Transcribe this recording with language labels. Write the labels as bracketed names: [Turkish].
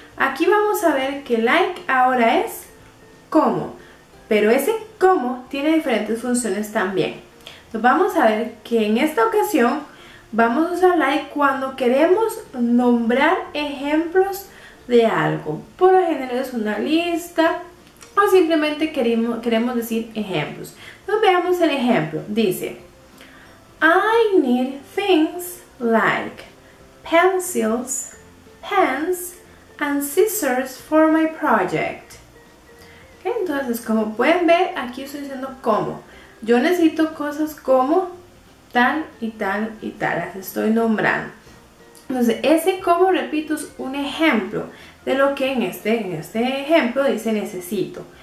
[Spanish] Aquí vamos a ver que like ahora es como, pero ese como tiene diferentes funciones también. Entonces vamos a ver que en esta ocasión vamos a usar like cuando queremos nombrar ejemplos de algo. Por lo general es una lista o simplemente queremos decir ejemplos. Entonces veamos el ejemplo. Dice: [English] I need things like pencils, pens, and scissors for my project. [Spanish] ¿Okay? Entonces, como pueden ver, aquí estoy diciendo como. Yo necesito cosas como tal y tal y tal. Las estoy nombrando. Entonces, ese como, repito, es un ejemplo de lo que en este ejemplo dice necesito.